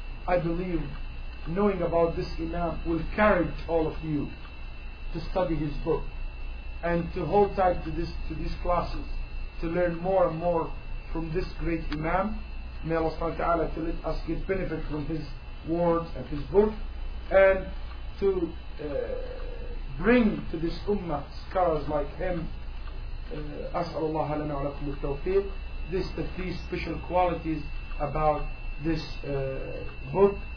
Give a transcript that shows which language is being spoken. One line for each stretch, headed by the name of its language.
English: I believe knowing about this imam will encourage all of you to study his book and to hold tight to these classes, to learn more and more from this great imam. May Allah subhanahu wa ta'ala to let us get benefit from his words and his book, and to bring to this ummah scholars like him.
Arabic: أسأل الله لنا ولكم التوفيق.
English: This the three special qualities about this book.